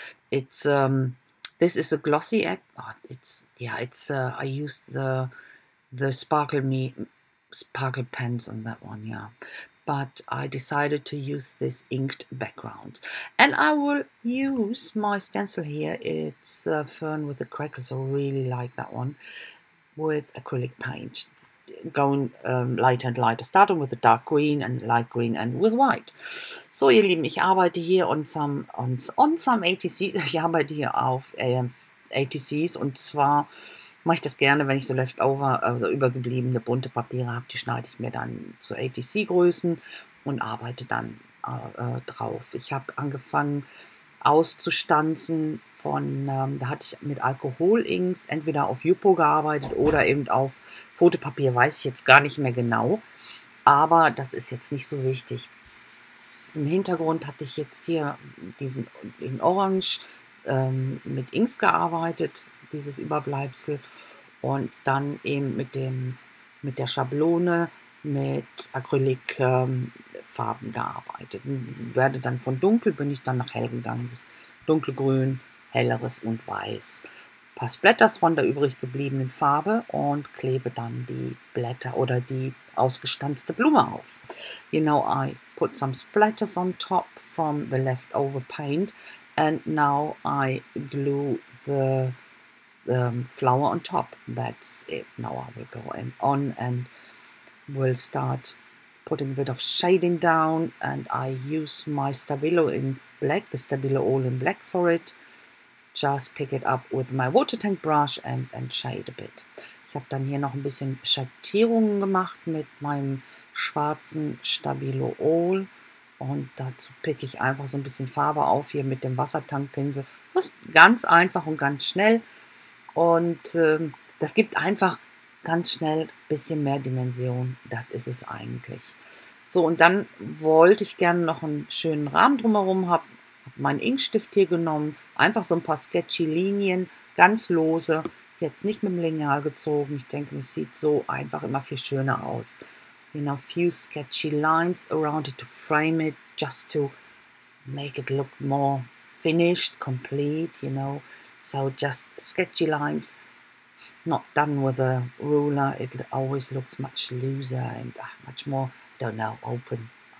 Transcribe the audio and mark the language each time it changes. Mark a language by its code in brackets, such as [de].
[en] It's this is a glossy egg. I use the sparkle pens on that one, yeah, but I decided to use this inked background. And I will use my stencil here. It's a fern with the crackers. I really like that one, with acrylic paint going lighter and lighter, starting with the dark green and light green and with white. [de] So ihr Lieben, ich arbeite hier [en] on some ATCs. [de] Ich arbeite hier auf ATCs, und zwar mache ich das gerne, wenn ich so leftover, also übergebliebene bunte Papiere habe. Die schneide ich mir dann zu ATC-Größen und arbeite dann drauf. Ich habe angefangen auszustanzen von, da hatte ich mit Alkoholinks entweder auf Upo gearbeitet oder eben auf Fotopapier, weiß ich jetzt gar nicht mehr genau. Aber das ist jetzt nicht so wichtig. Im Hintergrund hatte ich jetzt hier diesen in Orange mit Inks gearbeitet, dieses Überbleibsel, und dann eben mit der Schablone mit Acrylic-Farben gearbeitet. Werde dann von dunkel, bin ich dann nach hell gegangen, bis dunkelgrün, helleres und weiß. Pass Blätters von der übrig gebliebenen Farbe und klebe dann die Blätter oder die ausgestanzte Blume auf. [en] You know, I put some splatters on top from the leftover paint and now I glue the flower on top. That's it. Now I will go in on and will start putting a bit of shading down, and I use my Stabilo in black, the Stabilo all in black for it. Just pick it up with my water tank brush and shade a bit. [de] Ich habe dann hier noch ein bisschen Schattierungen gemacht mit meinem schwarzen Stabilo all, und dazu picke ich einfach so ein bisschen Farbe auf hier mit dem Wassertankpinsel. Das ist ganz einfach und ganz schnell. Und das gibt einfach ganz schnell ein bisschen mehr Dimension. Das ist es eigentlich. So, und dann wollte ich gerne noch einen schönen Rahmen drumherum. Habe meinen Inkstift hier genommen. Einfach so ein paar sketchy Linien, ganz lose. Jetzt nicht mit dem Lineal gezogen. Ich denke, es sieht so einfach immer viel schöner aus. [en] You know, few sketchy lines around it to frame it, just to make it look more finished, complete, you know. So just sketchy lines, not done with a ruler. It always looks much looser and much more, I don't know, open.